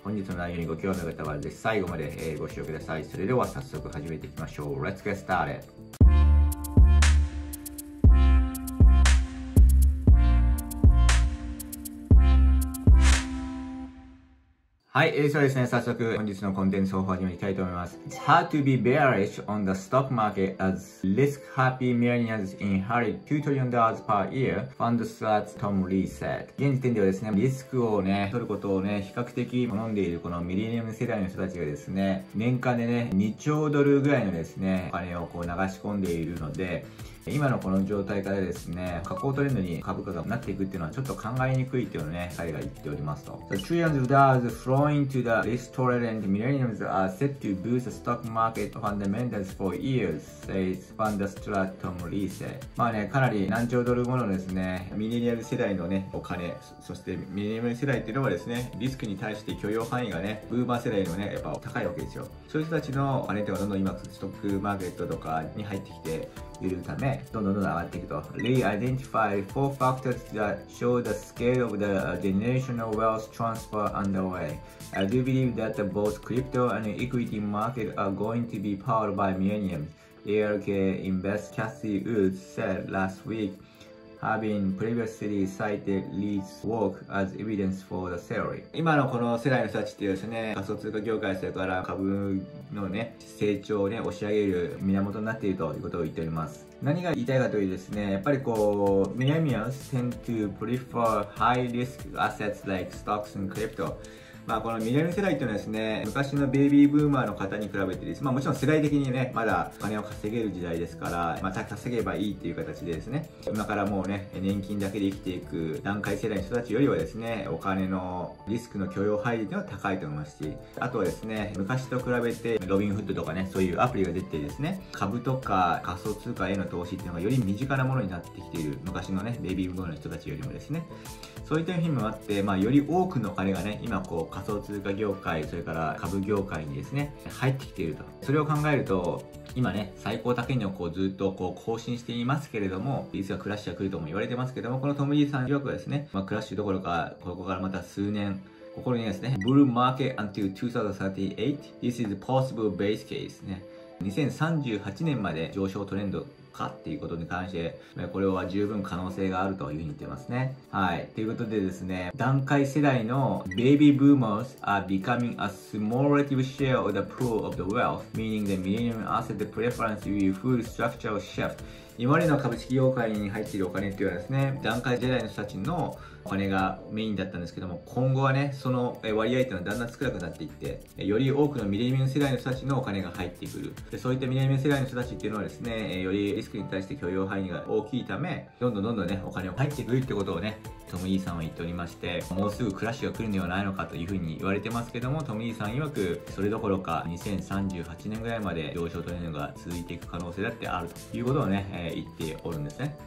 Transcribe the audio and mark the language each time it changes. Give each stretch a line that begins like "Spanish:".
Japanese: 本日の内容にご興味の方はぜひ最後までご視聴ください。それでは早速始めていきましょう。
English: Let's get started。
Japanese: はい、そうですね、早速本日のコンテンツを始めたいと思います。
English: It's hard to be bearish on the stock market as risk-happy millionaires inherit $2 trillion per year fund starts Tom Lee said。
Japanese: 現時点ではですね、リスクをね、取ることをね、比較的好んでいるこのミレニアム世代の人たちがですね、年間でね、2兆ドルぐらいのですね、お金をこう流し込んでいるので、今のこの状態からですね、下降トレンドに株価がなっていくっていうのはちょっと考えにくいっていうのをね、彼が言っておりますと。
English: So, trillions of dollars flowing to the restored millennials are set to boost the stock market fundamentals for years, says Fund Strat Tom Lee said。
Japanese: まあね、かなり何兆ドルものですね、ミレニアム世代のね、お金、そしてミレニアム世代っていうのはですね、リスクに対して許容範囲がね、ブーマー世代のね、やっぱ高いわけですよ。そういう人たちのお金っていうのはどんどん今、ストックマーケットとかに入ってきて、いるため、どんどん上がっていくと。
English: Lee identified four factors that show the scale of the generational wealth transfer underway. I do believe that both crypto and equity market are going to be powered by millennium. ARK investor Cathy Woods said last week, having previously cited Lee's work as evidence for the theory.
Japanese: 今のこの世代の人たちっていうですね、仮想通貨業界、それから株のね、成長をね、押し上げる源になっているということを言っております。何が言いたいかというとですね、やっぱりこう、
English: millennials tend to prefer high risk assets like stocks and crypto。
Japanese: まあこのミレニアム世代というのはですね、昔のベイビーブーマーの方に比べてです、もちろん世代的にね、まだお金を稼げる時代ですから、また稼げばいいっていう形でですね、今からもうね、年金だけで生きていく団塊世代の人たちよりはですね、お金のリスクの許容範囲では高いと思いますし、あとはですね、昔と比べてロビンフッドとかね、そういうアプリが出てですね、株とか仮想通貨への投資っていうのがより身近なものになってきている昔のね、ベイビーブーマーの人たちよりもですね、そういった意味もあって、より多くのお金がね、今こう、仮想通貨業界、それから株業界にですね、入ってきていると。それを考えると、今ね、最高高値をこうずっとこう更新していますけれども、いつかクラッシュが来るとも言われてますけども、このトム・リーさん曰くはですね、クラッシュどころか、ここからまた数年、ここにですね、ブルーマーケット
English: until 2038, this is possible base case
Japanese: ですね。 2038年まで上昇トレンド、かっていうことに関して、これは十分可能性があるというふうに言ってますね。はい、ということでですね、団塊世代のベイビーブーマーズ
English: are becoming a small relative share of the pool of the wealth, meaning the millennium asset preference will full structural shift。
Japanese: 今までの株式業界に入っているお金っていうのはですね、団塊世代の人たちのお金がメインだったんですけども、今後はね、その割合というのはだんだん少なくなっていって、より多くのミレニアム世代の人たちのお金が入ってくる。で、そういったミレニアム世代の人たちっていうのはですね、よりリスクに対して許容範囲が大きいため、どんどんね、お金が入ってくるってことをね、トム・イーさんは言っておりまして、もうすぐクラッシュが来るのではないのかというふうに言われてますけども、トム・イーさん曰く、それどころか2038年ぐらいまで上昇というのが続いていく可能性だってあるということをね、言っておるんですね。